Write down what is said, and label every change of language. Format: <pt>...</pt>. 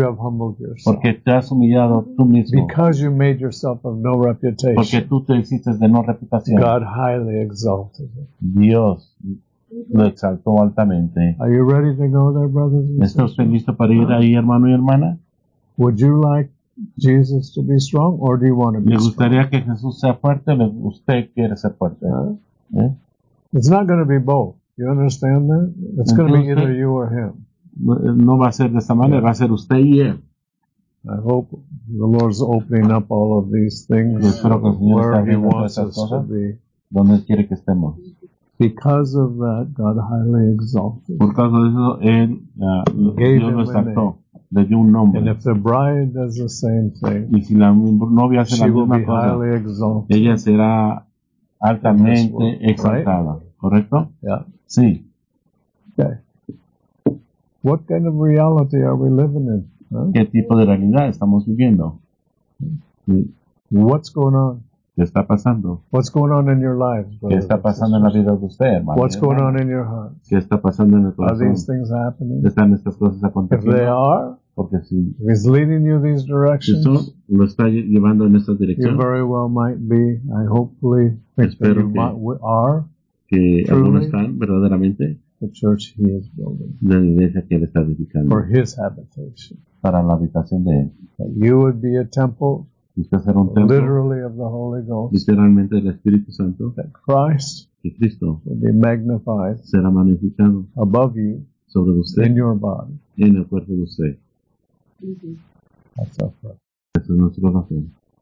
<en>You have humbled yourself.</en> <es>Porque te has humillado tú mismo.</es> <en>Because you made yourself of no reputation.</en> <es>Porque tú te hiciste de no reputación.</es> <en>God highly exalted it.</en> <es>Dios lo exaltó altamente.</es> <en>Are you ready to go there, brothers and sisters?</en> <es>¿Estás listo para ir ahí, hermano y hermana?</es> <en>Would you like Jesus to be strong, or do you want to be strong?</en> <es>Le gustaría que Jesús sea fuerte, o usted quiere ser fuerte.</es> <en>It's not going to be both. You understand that? It's going to be either you or him.</en> <es>No va a ser de esta manera. Yeah. Va a ser usted y él.</es> <en>I hope the Lord's opening up all of these things where He wants us to be.</en> <es>Donde quiere que estemos.</es> <en>Because of that, God highly exalted.</en> <es>Por causa de eso, él Dios lo exaltó. Le dio un nombre.</es> <en>And if the bride does the same thing,</en> <es>y si la novia hace la misma cosa,</es> <en>exalted,</en> <es>ella será altamente exaltada.</es> <en>Right?</en> <es>¿Correcto?</es> <en>Yeah.</en> <es>Sí.</es> <en>Okay. What kind of reality are we living in? Huh?</en> <es>¿Qué tipo de realidad estamos viviendo?</es> <en>What's going on?</en> <es>¿Qué está pasando?</es> <en>What's going on in your life?</en> <es>¿Qué está pasando en la vida de usted, hermano?</es> <en>What's going on in your heart?</en> <es>¿Qué está pasando en el corazón?</es> <en>Are these things happening?</en> <es>¿Están estas cosas aconteciendo?</es> <en>If they are,</en> <es>porque si</es> <en>he's leading you these directions,</en> <es>si eso lo está llevando en esta dirección,</es> <en>you very well might be, I hopefully</en> <es>espero</es> <en>think that you are,</en> <es>que algunos están verdaderamente,</es> <en>the church he is building,</en> <es>la iglesia que él está edificando,</es> <en>for his habitation,</en> <es>para la habitación de él.</es> <en>You would be a temple,</en> <es>un templo,</es> <en>literally of the Holy Ghost,</en> <es>literalmente del Espíritu Santo,</es> <en>that Christ,</en> <es>que Cristo,</es> <en>will be magnified,</en> <es>será magnificado,</es> <en>above you,</en> <es>sobre usted,</es> <en>in your body,</en> <es>en el cuerpo de usted.</es> <en>That's our prayer.</en> <es>Eso es nuestra oración.</es>